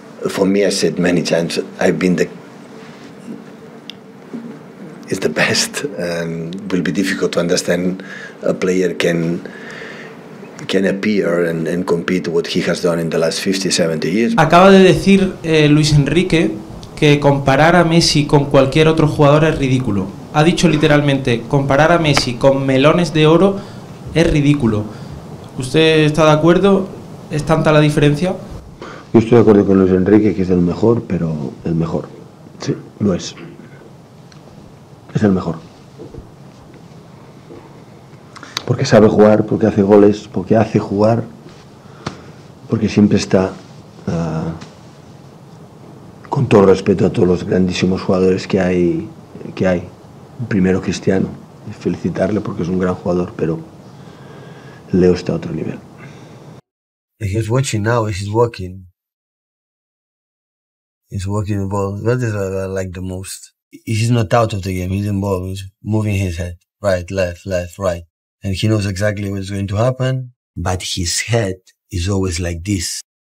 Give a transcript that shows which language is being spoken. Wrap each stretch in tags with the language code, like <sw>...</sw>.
<en>For me, I said many times, I've been the... is the best. Will be difficult to understand a player can appear and compete what he has done in the last 50, 70 years.</en> <es>Acaba de decir Luis Enrique que comparar a Messi con cualquier otro jugador es ridículo. Ha dicho literalmente, comparar a Messi con melones de oro es ridículo. ¿Usted está de acuerdo? ¿Es tanta la diferencia? Yo estoy de acuerdo con Luis Enrique, que es el mejor, pero el mejor. Sí, lo es. Es el mejor. Porque sabe jugar, porque hace goles, porque hace jugar, porque siempre está, con todo respeto a todos los grandísimos jugadores que hay. Primero Cristiano, felicitarle porque es un gran jugador, pero Leo está a otro nivel.</es> <en>He's watching now, he's walking. He's walking the ball. That is what I like the most. He's not out of the game, he's involved, he's moving his head, right, left, right. And he knows exactly what's going to happen, but his head is always like this.</en>